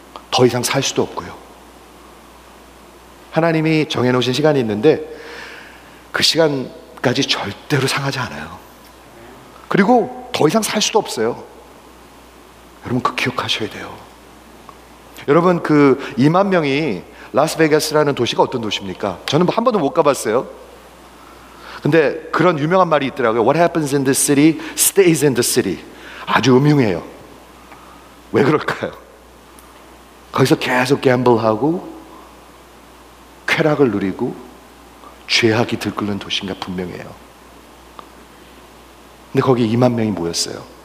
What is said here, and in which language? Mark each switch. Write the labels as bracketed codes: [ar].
[ko] 더 이상 살 수도 없고요. 하나님이 정해놓으신 시간이 있는데 그 시간까지 절대로 상하지 않아요. 그리고 더 이상 살 수도 없어요. 여러분 그 기억하셔야 돼요. 여러분 그 2만 명이 라스베가스라는 도시가 어떤 도시입니까? 저는 한 번도 못 가봤어요. 근데 그런 유명한 말이 있더라고요. [en] What happens in the city stays in the city. [ko] 아주 음흉해요. 왜 그럴까요? 거기서 계속 갬블하고 쾌락을 누리고 죄악이 들끓는 도시인가 분명해요. 근데 거기 2만 명이 모였어요.